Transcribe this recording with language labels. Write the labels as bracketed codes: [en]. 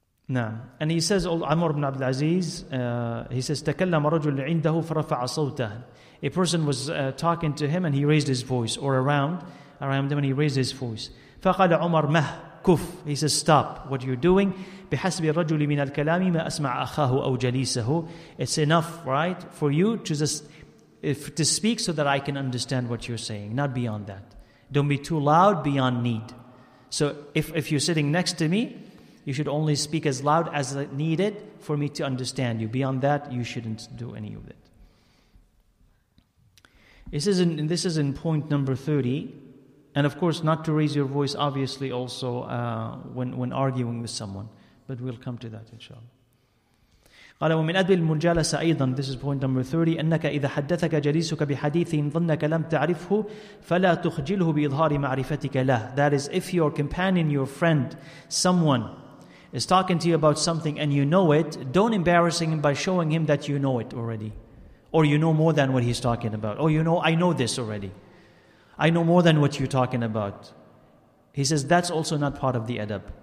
[ar] نعم. [en] And he says, Amr ibn Abdul Aziz, he says, [ar] تكلم رجل عنده فرفع صوته. [en] A person was talking to him and he raised his voice, or around him and he raised his voice. [ar] فقال عمر مه كف. [en] He says, stop what you're doing. [ar] بحسب الرجل من الكلام ما أسمع أخاه أو جليسه. [en] It's enough, right, for you to just to speak so that I can understand what you're saying, not beyond that. Don't be too loud beyond need. So if you're sitting next to me, you should only speak as loud as needed for me to understand you. Beyond that, you shouldn't do any of it. This is in point number 30. And of course, not to raise your voice, obviously, also when arguing with someone. But we'll come to that, inshallah. [ar] قال ومن أدب المجالسة أيضا. [en] This is point number 30. [ar] أنك إذا حدثك جليسك بحديث ظنك لم تعرفه فلا تخجله بإظهار معرفتك له. [en] That is, if your companion, your friend, someone is talking to you about something and you know it, don't embarrass him by showing him that you know it already. Or you know more than what he's talking about. Oh, you know, I know this already. I know more than what you're talking about. He says that's also not part of the adab.